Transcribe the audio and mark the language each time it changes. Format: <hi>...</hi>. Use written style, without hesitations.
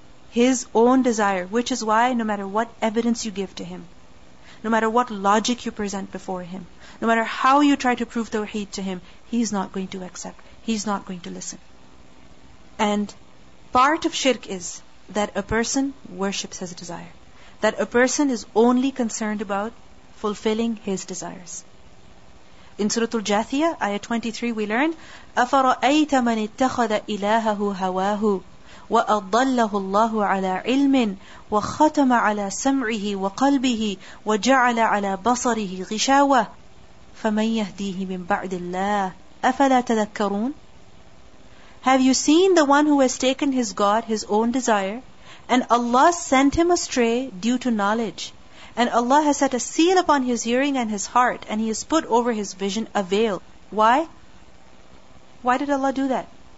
<en>His own desire, which is why no matter what evidence you give to him, no matter what logic you present before him, no matter how you try to prove Tawheed to him, he's not going to accept. He's not going to listen. And part of shirk is that a person worships his desire. That a person is only concerned about fulfilling his desires. In Surah Al-Jathiyah, Ayah 23, we learn,</en> <ar>أَفَرَأَيْتَ مَنِ اتَّخَذَ إِلَاهَهُ هَوَاهُ وَأَضَّلَّهُ اللَّهُ عَلَى عِلْمٍ وَخَتَمَ عَلَى سَمْعِهِ وَقَلْبِهِ وَجَعَلَ عَلَى بَصَرِهِ غِشَاوَةٍ فَمَنْ يَهْدِيهِ مِنْ بَعْدِ اللَّهِ أَفَلَا تَذَكَّرُونَ.</ar> <en>Have you seen the one who has taken his God, his own desire, and Allah sent him astray due to knowledge, and Allah has set a seal upon his hearing and his heart, and he has put over his vision a veil. Why? Why did Allah do that?</en>